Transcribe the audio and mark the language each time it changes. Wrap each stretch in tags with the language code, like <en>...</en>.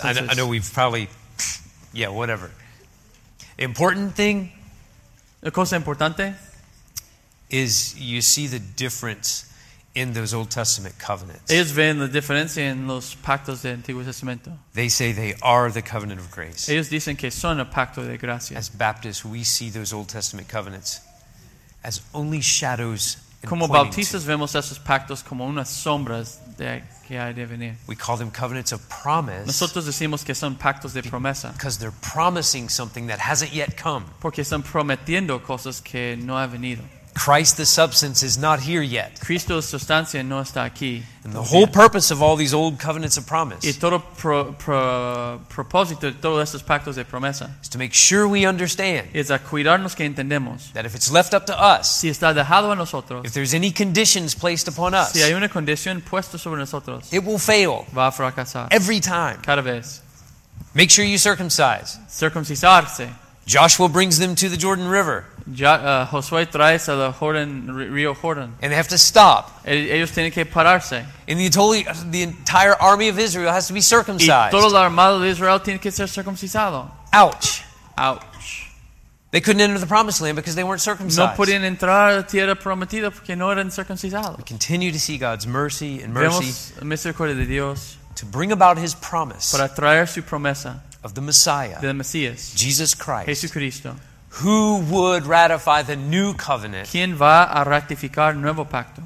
<en>I know we've probably, yeah, whatever. Important thing.</en> <es>La cosa importante.</es> <en>Is you see the difference in those Old Testament covenants.</en> <es>Ellos ven la diferencia en los pactos del Antiguo Testamento.</es> <en>They say they are the covenant of grace.</en> <es>Ellos dicen que son el pacto de gracia.</es> <en>As Baptists, we see those Old Testament covenants as only shadows.</en> <es>Como bautistas vemos esos pactos como unas sombras de que hay de venir.</es> <en>We call them covenants of promise.</en> <es>Nosotros decimos que son pactos de promesa.</es> <en>Because they're promising something that hasn't yet come.</en> <es>Porque están prometiendo cosas que no han venido.</es> <en>Christ the substance is not here yet.</en> <es>Cristo la sustancia no está aquí.</es> <en>And the whole purpose of all these old covenants of promise.</en> <es>Y todo propósito de todos estos pactos de promesa.</es> <en>Is to make sure we understand.</en> <es>Es a cuidarnos que entendemos.</es> <en>That if it's left up to us.</en> <es>Si está dejado a nosotros.</es> <en>If there's any conditions placed upon us.</en> <es>Si hay una condición puesta sobre nosotros.</es> <en>It will fail.</en> <es>Va a fracasar.</es> <en>Every time.</en> <es>Cada vez.</es> <en>Make sure you circumcise.</en> <es>Circuncisarse.</es> <en>Joshua brings them to the Jordan River.</en> <es>Josué trae a la Jordan, Río Jordan.</es> <en>And they have to stop.</en> <es>Ellos tienen que pararse.</es> <en>And the entire army of Israel has to be circumcised.</en> <es>Y toda la armada de Israel tiene que ser circuncisado. Ouch. Ouch.</es> <en>They couldn't enter the promised land because they weren't circumcised.</en> <es>No podían entrar a la tierra prometida porque no eran circuncisados.</es> <en>We continue to see God's mercy and mercy.</en> <es>Vemos misericordia de Dios.</es> <en>To bring about his promise.</en> <es>Para traer su promesa.</es> <en>Of the Messiah.</en> <es>The Messias.</es> <en>Jesus Christ.</en> <es>Jesucristo.</es> <en>Who would ratify the new covenant?</en> <es>¿Quién va a ratificar nuevo pacto?</es>